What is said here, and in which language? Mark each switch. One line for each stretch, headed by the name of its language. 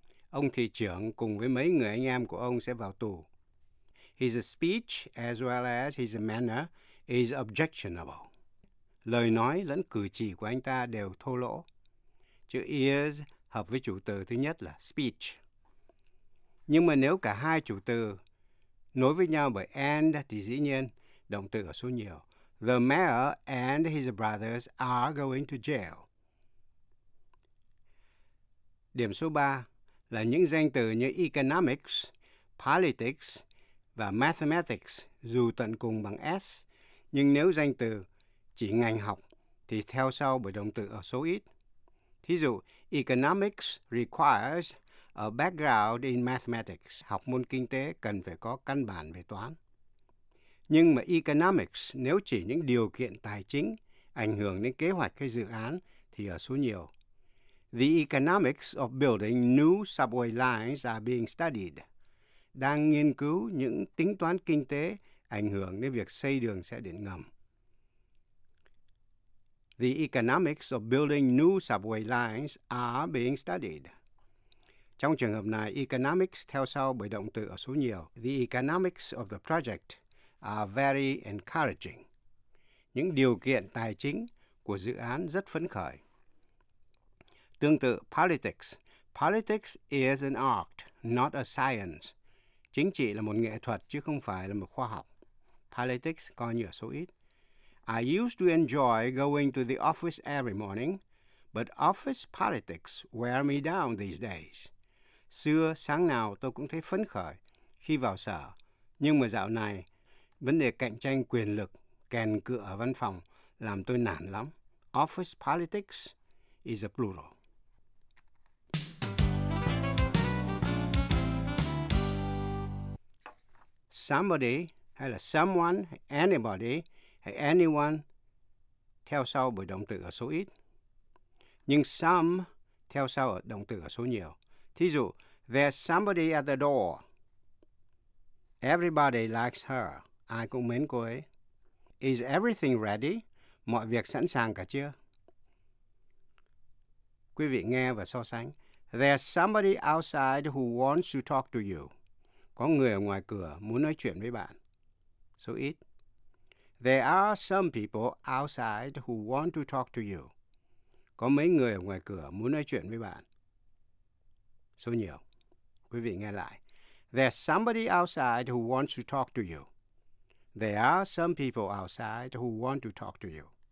Vietnamese: Ông thị trưởng cùng với mấy người anh em của ông sẽ vào tù.
English: His speech as well as his manner is objectionable.
Vietnamese: Lời nói lẫn cử chỉ của anh ta đều thô lỗ. Chữ is hợp với chủ từ thứ nhất là speech. Nhưng mà nếu cả hai chủ từ nối với nhau bởi and thì dĩ nhiên động từ ở số nhiều.
English: The mayor and his brothers are going to jail.
Vietnamese: Điểm số 3 là những danh từ như economics, politics và mathematics dù tận cùng bằng s. Nhưng nếu danh từ chỉ ngành học thì theo sau bởi động từ ở số ít. Thí dụ,
English: economics requires a background in mathematics.
Vietnamese: Học môn kinh tế cần phải có căn bản về toán. Nhưng mà economics nếu chỉ những điều kiện tài chính ảnh hưởng đến kế hoạch hay dự án thì ở số nhiều.
English: The economics of building new subway lines are being studied.
Vietnamese: Đang nghiên cứu những tính toán kinh tế ảnh hưởng đến việc xây đường xe điện ngầm.
English: The economics of building new subway lines are being studied.
Vietnamese: Trong trường hợp này, economics theo sau bởi động từ ở số nhiều.
English: The economics of the project are very encouraging.
Vietnamese: Những điều kiện tài chính của dự án rất phấn khởi. Tương tự,
English: politics. Politics is an art, not a science.
Vietnamese: Chính trị là một nghệ thuật chứ không phải là một khoa học. Politics coi như ở số ít.
English: I used to enjoy going to the office every morning, but office politics wear me down these days.
Vietnamese: Xưa, sáng nào tôi cũng thấy phấn khởi khi vào sở, nhưng mà dạo này, Vấn đề cạnh tranh quyền lực, kèn cựa ở văn phòng làm tôi nản lắm.
English: Office politics is a plural.
Vietnamese: Somebody hay là someone, anybody hay anyone theo sau bởi động từ ở số ít. Nhưng some theo sau ở động từ ở số nhiều. Thí dụ,
English: there's somebody at the door. Everybody likes her.
Vietnamese: Ai cũng mến cô ấy.
English: Is everything ready?
Vietnamese: Mọi việc sẵn sàng cả chưa? Quý vị nghe và so sánh.
English: There's somebody outside who wants to talk to you.
Vietnamese: Có người ở ngoài cửa muốn nói chuyện với bạn. Số ít.
English: There are some people outside who want to talk to you.
Vietnamese: Có mấy người ở ngoài cửa muốn nói chuyện với bạn. Số nhiều. Quý vị nghe lại.
English: There's somebody outside who wants to talk to you. There are some people outside who want to talk to you.